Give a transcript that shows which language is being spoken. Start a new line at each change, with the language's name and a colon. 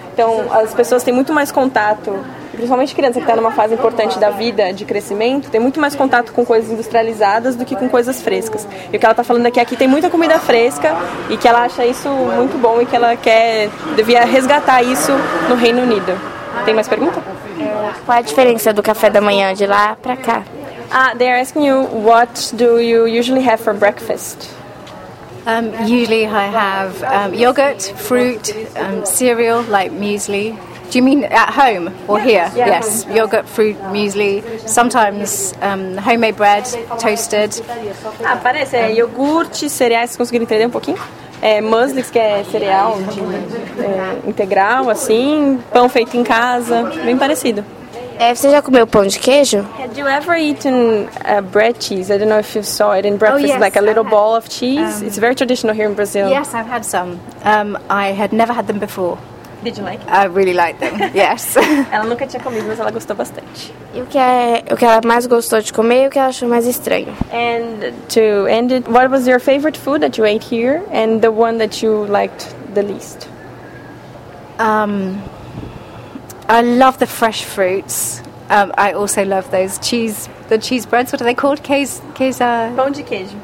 Portuguese: Então, as pessoas têm muito mais contato, principalmente criança que está numa fase importante da vida, de crescimento, tem muito mais contato com coisas industrializadas do que com coisas frescas. E o que ela está falando é que aqui tem muita comida fresca e que ela acha isso muito bom e que ela quer, devia resgatar isso no Reino Unido. Tem mais pergunta? Qual é a diferença do café da manhã de lá para cá?
English: They're asking you, what do you usually have for breakfast? Usually I have yogurt, fruit, cereal, like muesli. Do you mean at home or here? Yes, yogurt, fruit, muesli. Sometimes homemade bread, toasted.
Portuguese: Parece, iogurte, cereais, conseguiram entender um pouquinho? Muesli, que é cereal integral, assim, pão feito em casa, bem parecido. Você já comeu pão de queijo?
English: Had you ever eaten bread cheese? I don't know if you saw it in breakfast, ball of cheese. It's very traditional here in Brazil. Yes, I've had some. I had never had them before. Did you like it? I really liked them, yes.
Portuguese: Ela nunca tinha comido, mas ela gostou bastante. E o que ela mais gostou de comer e o que ela achou mais estranho?
English: And to end it, what was your favorite food that you ate here and the one that you liked the least? I love the fresh fruits. I also love those cheese breads. What are they called?
Portuguese: Pão de queijo.